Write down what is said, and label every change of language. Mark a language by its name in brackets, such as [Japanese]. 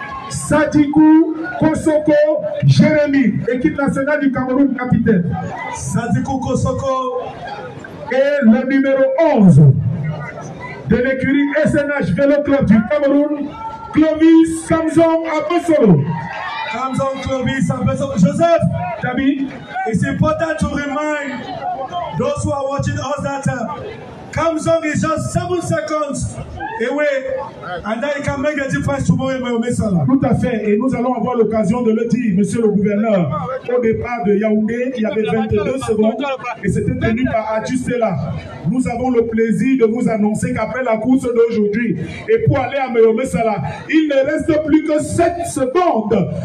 [French] Sadiku Kosoko Jérémy, équipe nationale du Cameroun, capitaine. Sadiku Kosoko. Et le numéro 11 de l'écurie SNH Vélo Club du Cameroun, Clovis Samson Abessolo. Samson Clovis Abessolo. Joseph, Tabi, [English] it's important to remind those who are watching us that Kamzong is just 7 seconds away, and that he can make a difference tomorrow in Messala. [French] Tout à fait, et nous allons avoir l'occasion de le dire, monsieur le gouverneur. Au départ de Yaoundé, il y avait 22 secondes, et c'était tenu par Adjustela. Nous avons le plaisir de vous annoncer qu'après la course d'aujourd'hui, et pour aller à Meyomessala, il ne reste plus que 7 secondes.